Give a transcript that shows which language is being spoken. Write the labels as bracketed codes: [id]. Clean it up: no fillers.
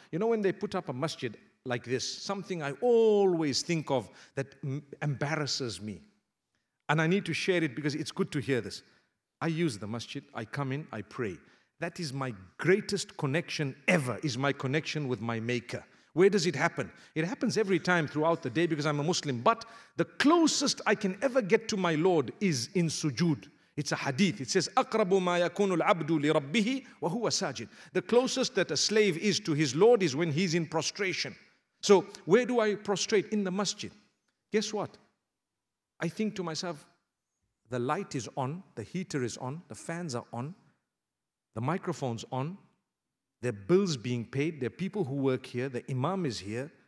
[en] You know, when they put up a masjid like this, something I always think of that embarrasses me, and I need to share it because it's good to hear this. I use the masjid, I come in, I pray. That is my greatest connection ever, is my connection with my maker. Where does it happen? It happens every time throughout the day because I'm a Muslim. But the closest I can ever get to my Lord is in sujood. It's a hadith. It says, [ar] أَقْرَبُ مَا يَكُونُ الْعَبْدُ لِرَبِّهِ وَهُوَ سَاجِدٌ. [en] The closest that a slave is to his Lord is when he's in prostration. So where do I prostrate? In the masjid. Guess what? I think to myself, the light is on, the heater is on, the fans are on, the microphone's on, there are bills being paid, there are people who work here, the imam is here.